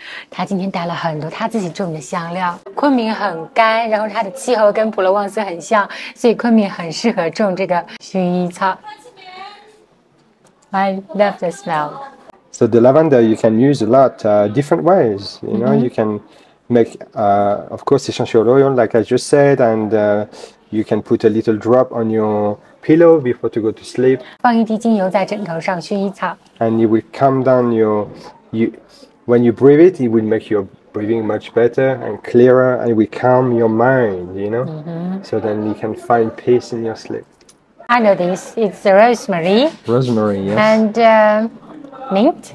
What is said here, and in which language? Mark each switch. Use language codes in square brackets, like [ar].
[zh] 他今天带了很多他自己种的香料。昆明很干，然后它的气候跟普罗旺斯很像，所以昆明很适合种这个薰衣草。 [en] I love the smell. So the lavender you can use a lot different ways. You know, you can make of course essential oil like I just said, and you can put a little drop on your pillow before to go to sleep. [zh] 放一滴精油在枕头上，薰衣草。 [en] And it will calm down your you when you breathe it, it will make your breathing much better and clearer, and it will calm your mind, you know? So then you can find peace in your sleep. I know this. It's rosemary Rosemary, yes. and mint.